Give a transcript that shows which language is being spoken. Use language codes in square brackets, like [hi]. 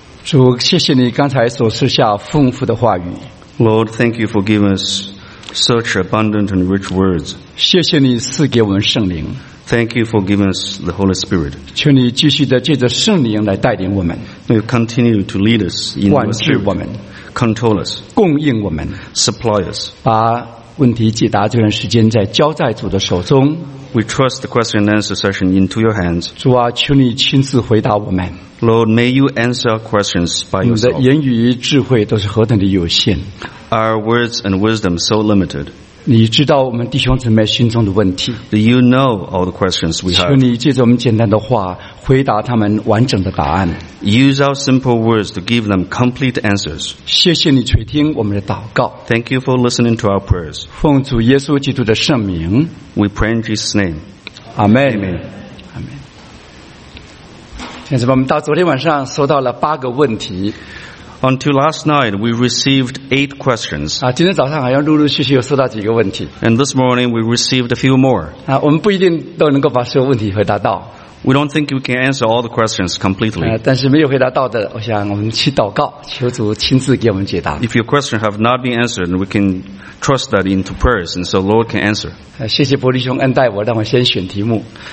[en] Lord, thank you for giving us such abundant and rich words. Thank you for giving us the Holy Spirit. May you continue to lead us in the Spirit. Control us. [zh] 供应我们, [en] supply us. [zh] 把问题解答这段时间在交在主的手中, [en] we trust the question and answer session into your hands. [zh] 主啊, 求你亲自回答我们, [en] Lord, may you answer our questions by yourself. [zh] 你的言语与智慧都是何等的有限, [en] our words and wisdom so limited. [zh] 你知道我们弟兄姊妹心中的问题, [en] you know all the questions we have. [zh] 求你借着我们简单的话, 回答他们完整的答案, [en] use our simple words to give them complete answers. [zh] 谢谢你垂听我们的祷告, [en] thank you for listening to our prayers. [zh] 奉主耶稣基督的圣名, [en] we pray in Jesus' name. Amen. Amen. [zh] 现在我们到昨天晚上收到了八个问题, [en] until last night, we received 8 questions. [zh] 啊, 今天早上好像陆陆续续又收到几个问题, [en] and this morning, we received a few more. [zh] 啊, 我们不一定都能够把所有问题回答到, [en] we don't think we can answer all the questions completely. [zh] 啊, 但是没有回答到的, 我想我们去祷告, 求主亲自给我们解答。 [en] If your questions have not been answered, we can trust that into prayers, and so Lord can answer. [zh] 啊, 谢谢伯利兄恩待我, 让我先选题目。